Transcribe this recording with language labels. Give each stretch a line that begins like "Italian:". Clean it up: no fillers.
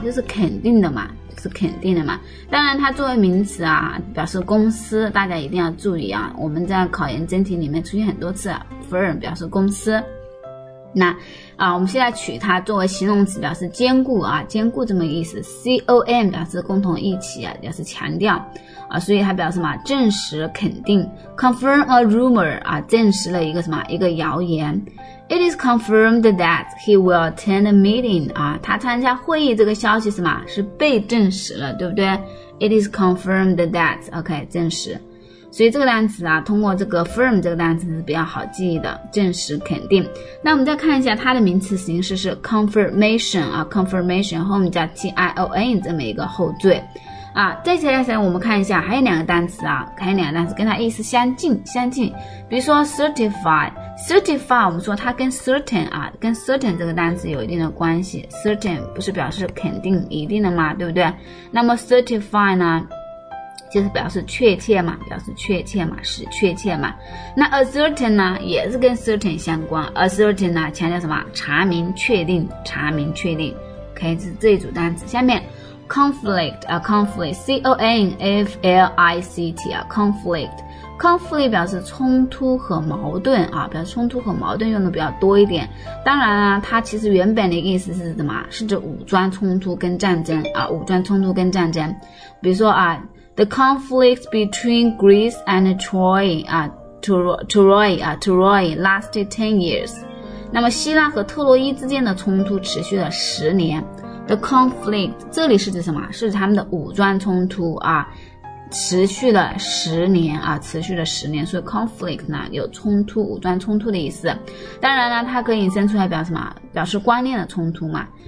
Chinese: 就是肯定的嘛。是肯定的嘛，当然它作为名词啊，表示公司，大家一定要注意啊，我们在考研真题里面出现很多次 firm 表示公司。那啊，我们现在取它作为形容词，表示坚固啊，坚固这么个意思。 com 表示共同一起啊，表示强调啊，所以它表示什么？证实肯定。 confirm a rumor 啊，证实了一个什么？一个谣言。
English: It is confirmed that he will attend the meeting 啊，
Chinese: 他参加会议这个消息什么？是被证实了，对不对 ？
English: It is confirmed that
Chinese: OK 证实。所以这个单词啊，通过这个 firm 这个单词是比较好记忆的，证实肯定。那我们再看一下它的名词形式是 confirmation 啊 ，confirmation 后面加 tion 这么一个后缀啊。再接下来我们看一下，还有两个单词啊，还有两个单词跟它意思相近，比如说 certify 我们说它跟 certain 啊，跟 certain 这个单词有一定的关系。 certain 不是表示肯定、一定的吗？对不对？那么 certify 呢？就是表示确切嘛，表示确切嘛，是确切嘛。那 ascertain 呢，也是跟 certain 相关。ascertain 呢，强调什么？查明、确定、查明、确定。OK， 是这一组单词。下面 conflict 啊 ，conflict，c o n f l i c t 啊 ，conflict。 Conflict 表示冲突和矛盾啊，表示冲突和矛盾用的比较多一点。当然啊，它其实原本的意思是什么？是指武装冲突跟战争啊，武装冲突跟战争。比如说啊
English: ，the conflict between Greece and Troy 啊 ，Troy 啊 ，Troy lasted 10 years。
Chinese: 那么希腊和特洛伊之间的冲突持续了10年。 The conflict 这里是指什么？是指他们的武装冲突啊。持续了10年啊，持续了10年，所以 conflict 呢有冲突、武装冲突的意思。当然呢，它可以引申出来表示什么？表示观念的冲突嘛。